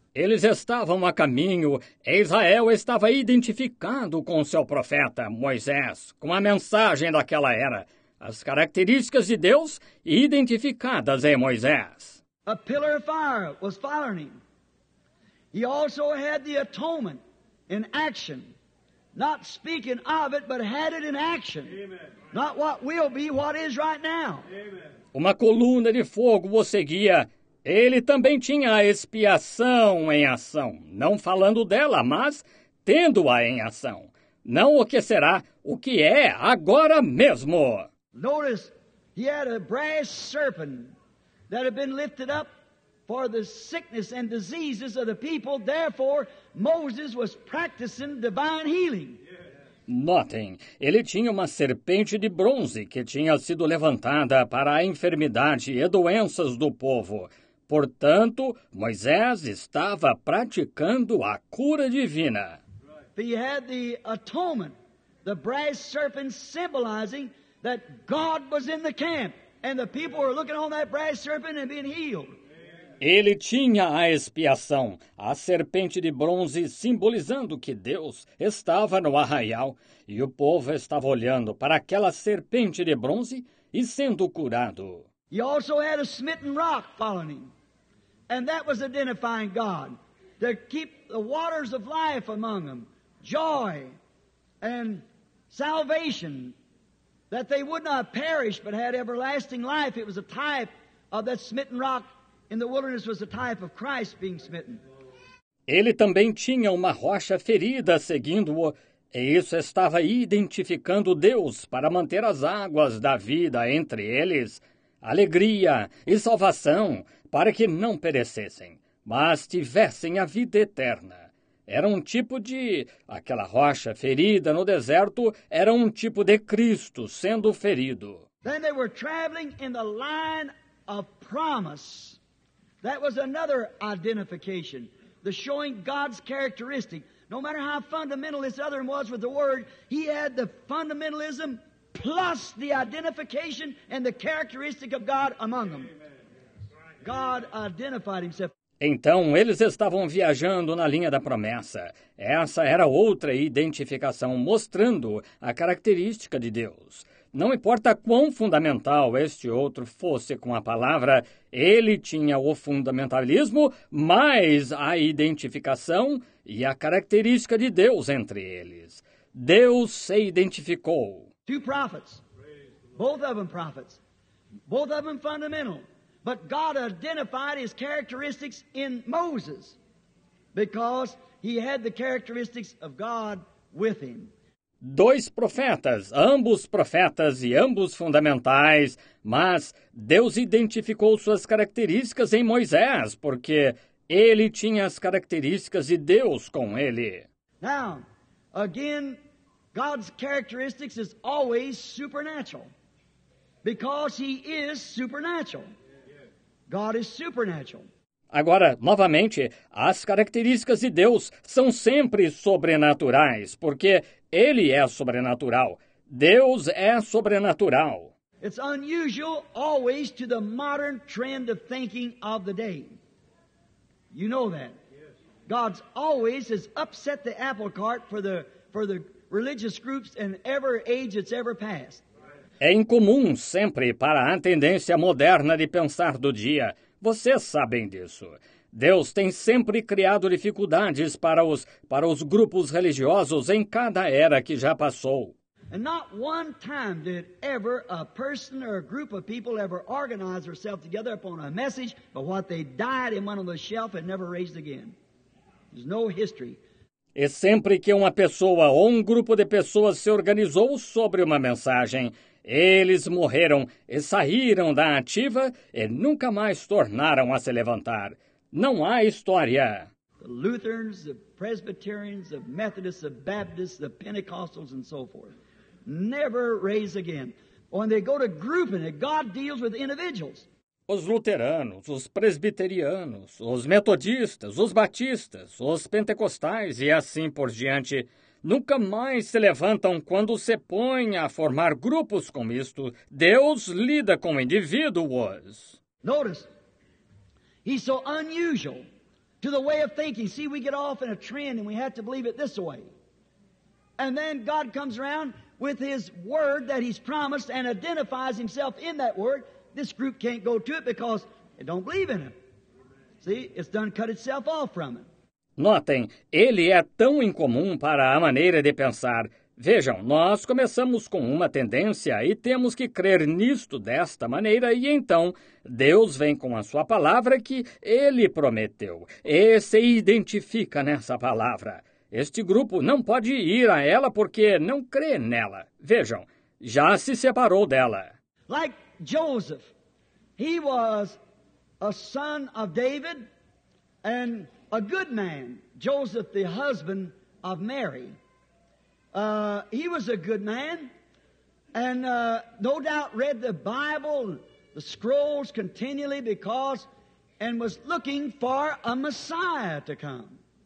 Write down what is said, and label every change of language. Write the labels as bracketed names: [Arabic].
[Portuguese] Eles estavam a caminho. Israel estava identificado com seu profeta, Moisés, com a mensagem daquela era. As características de Deus identificadas em Moisés. [English] A pillar of fire was following him. He also had the atonement. in action. Not speaking of it, but had it in action. Amen. Not what will be, what is right now. Amen. [Portuguese] Uma coluna de fogo o seguia. Ele também tinha a expiação em ação. Não falando dela, mas tendo-a em ação. Não o que será, o que é agora mesmo. [English] Notice, he had a brass serpent that had been lifted up for the sickness and diseases of the people. Therefore, Moses was practicing divine healing. [Portuguese] Notem, ele tinha uma serpente de bronze que tinha sido levantada para a enfermidade e doenças do povo. Portanto, Moisés estava praticando a cura divina. [English] He had the atonement, the brass serpent symbolizing that God was in the camp and the people were looking on that brass serpent and being healed. [Portuguese] Ele tinha a expiação, a serpente de bronze simbolizando que Deus estava no arraial e o povo estava olhando para aquela serpente de bronze e sendo curado. [English] He also had a smitten rock following him, and that was identifying God to keep the waters of life among them, joy and salvation, that they would not perish but had everlasting life. It was a type of that smitten rock in the wilderness, was a type of Christ being smitten. [Portuguese] Ele também tinha uma rocha ferida seguindo-o, e isso estava identificando Deus para manter as águas da vida entre eles, alegria e salvação, para que não perecessem, mas tivessem a vida eterna. Era um tipo de... aquela rocha ferida no deserto era um tipo de Cristo sendo ferido. [English] Then they were traveling in the line of promise. That was another identification, the showing God's characteristic. No matter how fundamental this other one was with the word, he had the fundamentalism plus the identification and the characteristic of God among them. God identified himself. [Portuguese] Então, eles estavam viajando na linha da promessa. Essa era outra identificação, mostrando a característica de Deus. Não importa quão fundamental este outro fosse com a palavra, ele tinha o fundamentalismo, mais a identificação e a característica de Deus entre eles. Deus se identificou. [English] Two prophets, both of them prophets, both of them fundamental. But God identified his characteristics in Moses because he had the characteristics of God with him. [Portuguese] Dois profetas, ambos profetas e ambos fundamentais, mas Deus identificou suas características em Moisés porque ele tinha as características de Deus com ele. [English] Now, again, God's characteristics is always supernatural because he is supernatural. God is supernatural. [Portuguese] Agora, novamente, as características de Deus são sempre sobrenaturais, porque Ele é sobrenatural. Deus é sobrenatural. [English] It's unusual always to the modern trend of thinking of the day. You know that. God's always has upset the apple cart for the religious groups in every age that's ever passed. [Portuguese] É incomum sempre para a tendência moderna de pensar do dia. Vocês sabem disso. Deus tem sempre criado dificuldades para os grupos religiosos em cada era que já passou. [English] And not one time did ever a person or a group of people ever organize themselves together upon a message, but what they died in one of the shelf and never raised again. There's no history. [Portuguese] E sempre que uma pessoa ou um grupo de pessoas se organizou sobre uma mensagem, eles morreram e saíram da ativa e nunca mais tornaram a se levantar. Não há história. [English] The Lutherans, the Presbyterians, the Methodists, the Baptists, the Pentecostals, and so forth. Never raise again. When they go to grouping it, God deals with individuals. [Portuguese] Os luteranos, os presbiterianos, os metodistas, os batistas, os pentecostais e assim por diante, nunca mais se levantam quando se põem a formar grupos com isto. Deus lida com indivíduos. [English] Notice, he's so unusual to the way of thinking. See, we get off in a trend and we have to believe it this way. And then God comes around with his word that he's promised and identifies himself in that word. This group can't go to it because it don't believe in him. See, it's done cut itself off from him. [Portuguese] Notem, ele é tão incomum para a maneira de pensar. Vejam, nós começamos com uma tendência e temos que crer nisto desta maneira, e então Deus vem com a sua palavra que ele prometeu e se identifica nessa palavra. Este grupo não pode ir a ela porque não crê nela. Vejam, já se separou dela. [English] Like Joseph, he was a son of David and a good man. Joseph, the husband of Mary. He was a good man, and no doubt read the Bible, the scrolls continually because, and was looking for a Messiah to come.